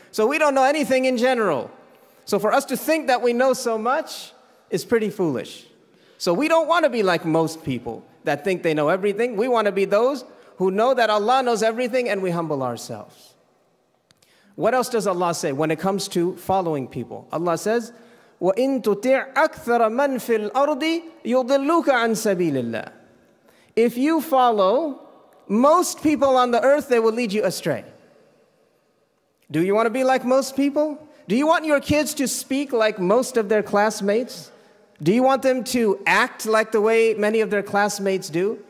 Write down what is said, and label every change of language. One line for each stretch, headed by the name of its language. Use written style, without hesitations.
English: So we don't know anything in general. So for us to think that we know so much, it's pretty foolish. So we don't want to be like most people that think they know everything. We want to be those who know that Allah knows everything and we humble ourselves. What else does Allah say when it comes to following people? Allah says,
Arabic: وَإِن تُطِعْ أَكْثَرَ مَن فِي الْأَرْضِ يُضِلُّكَ عَن سَبِيلِ اللَّهِ.
English: If you follow most people on the earth, they will lead you astray. Do you want to be like most people? Do you want your kids to speak like most of their classmates? Do you want them to act like the way many of their classmates do?